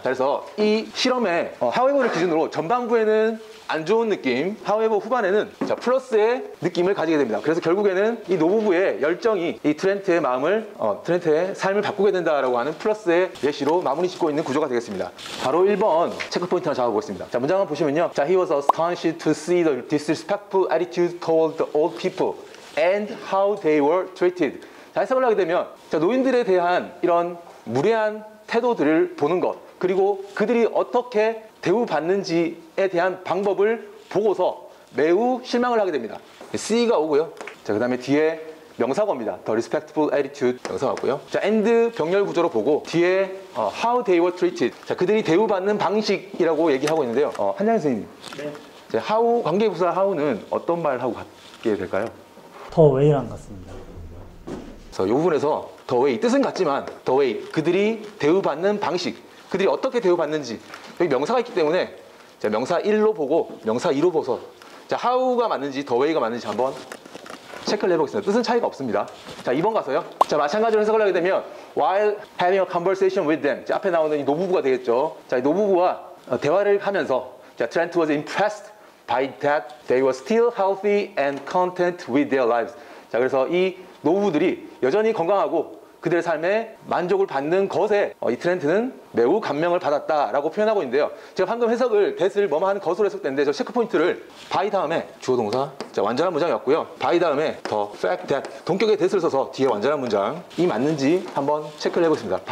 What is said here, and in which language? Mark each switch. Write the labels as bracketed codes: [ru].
[ko] 그래서 이 실험의 however를 기준으로 전반부에는 안 좋은 느낌, however 후반에는 자, 플러스의 느낌을 가지게 됩니다. 그래서 결국에는 이 노부부의 열정이 이 트렌트의 마음을, 트렌트의 삶을 바꾸게 된다라고 하는 플러스의 예시로 마무리 짓고 있는 구조가 되겠습니다. 바로 1번 체크포인트 하나 잡아보겠습니다. 자, 문장을 보시면요. [en] 자, he was astonished to see the disrespectful attitude toward the old people and how they were treated. [ko] 자, 해석을 하게 되면 자, 노인들에 대한 이런 무례한 태도들을 보는 것, 그리고 그들이 어떻게 대우받는지에 대한 방법을 보고서 매우 실망을 하게 됩니다. C가 오고요. 자, 그 다음에 뒤에 명사어입니다. [en] The respectful attitude [ko] 명사어 왔고요. 자, and 병렬 구조로 보고 뒤에 [en] how they were treated. [ko] 자, 그들이 대우받는 방식이라고 얘기하고 있는데요. 한장희 선생님. 네. 자, how, 관계부사 how는 어떤 말하고 같게 될까요? The way랑 같습니다. 그래서 이 부분에서 the way, 뜻은 같지만 the way, 그들이 대우받는 방식, 그들이 어떻게 대우받는지, 여기 명사가 있기 때문에 자, 명사 1로 보고 명사 2로 보서 자, how가 맞는지 the way가 맞는지 한번 체크를 해보겠습니다. 뜻은 차이가 없습니다. 자, 2번 가서요. 자, 마찬가지로 해석을 하게 되면 [en] while having a conversation with them, [ko] 자, 앞에 나오는 이 노부부가 되겠죠. 자, 이 노부부와 대화를 하면서 자, [en] Trent was impressed by that they were still healthy and content with their lives. [ko] 자, 그래서 이 노부부들이 여전히 건강하고 그들의 삶에 만족을 받는 것에 이 트렌트는 매우 감명을 받았다라고 표현하고 있는데요. 제가 방금 해석을 that을 뭐뭐 하는 것으로 해석됐는데 저 체크포인트를 by 다음에 주어동사 자, 완전한 문장이었고요. by 다음에 the fact that 동격의 that을 써서 뒤에 완전한 문장이 맞는지 한번 체크를 해보겠습니다.